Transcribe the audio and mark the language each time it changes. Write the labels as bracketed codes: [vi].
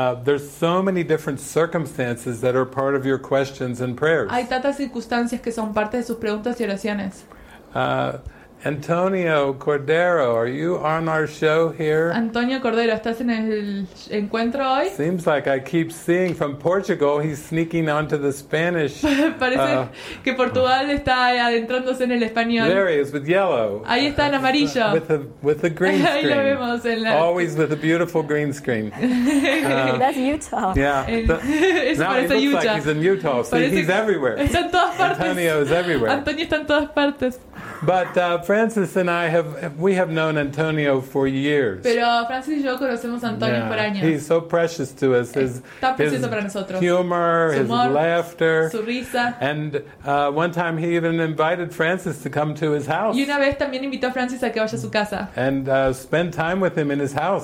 [en] There's so many different circumstances that are part of your questions and prayers. [es] Hay tantas circunstancias que son parte de sus preguntas y oraciones. [en] Antonio Cordero, are you on our show here? [es] Antonio Cordero, ¿estás en el encuentro hoy? [en] Seems like I keep seeing from Portugal, he's sneaking onto the Spanish. [es] Parece que Portugal está adentrándose en el español. [en] There he is with yellow. [es] Ahí está en amarillo. [en] With the green screen. [es] Ahí lo vemos en la. [en] Always with a beautiful green screen. That's Utah. Yeah. Now he looks like he's in Utah. See, he's everywhere. [es] Está en todas partes. [en] Antonio is everywhere. [es] Antonio está en todas partes. [en] But Francis and I have known Antonio for years. [es] Pero Francis y yo conocemos a Antonio por años. [en] He's so precious to us. [es] Está precioso para nosotros. [en] Humor, his laughter, [es] su risa. [en] And one time he even invited Francis to come to his house. [es] Y una vez también invitó a Francis a que vaya a su casa. [en] And spend time with him in his house.